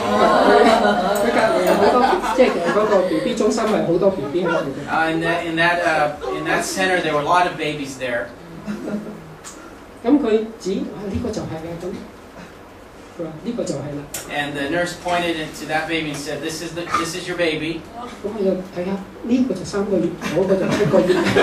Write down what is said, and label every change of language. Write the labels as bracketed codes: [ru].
[yue] 佢隔離好多，即係嗰個 BB 中心係好多 BB 喺度嘅。 [en] In that center, there were a lot of babies there. [yue] 咁佢指呢個就係啦，咁呢個就係啦。 [en] And the nurse pointed to that baby and said, "This is your baby." [yue] 咁佢就睇下。呢個就三個月，嗰個就七個月。